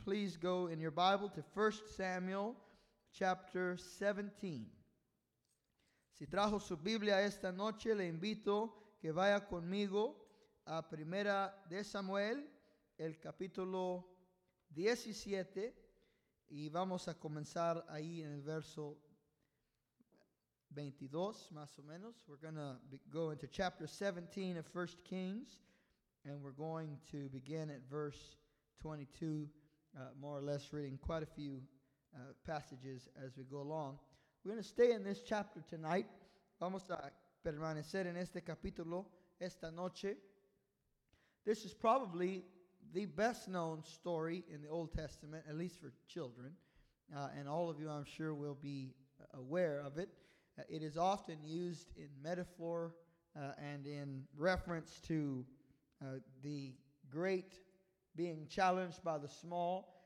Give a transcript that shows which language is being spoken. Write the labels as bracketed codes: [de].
[en] please go in your Bible to 1 Samuel chapter 17. [es] Si trajo su Biblia esta noche, le invito que vaya conmigo a 1 de Samuel, el capítulo 17, y vamos a comenzar ahí en el verso 22, más o menos. [en] We're going to go into chapter 17 of 1 Kings, and we're going to begin at verse 22, more or less reading quite a few passages as we go along. We're going to stay in this chapter tonight. [es] Vamos a permanecer en este capítulo esta noche. [en] This is probably the best known story in the Old Testament, at least for children, and all of you, I'm sure, will be aware of it. It is often used in metaphor and in reference to the great being challenged by the small.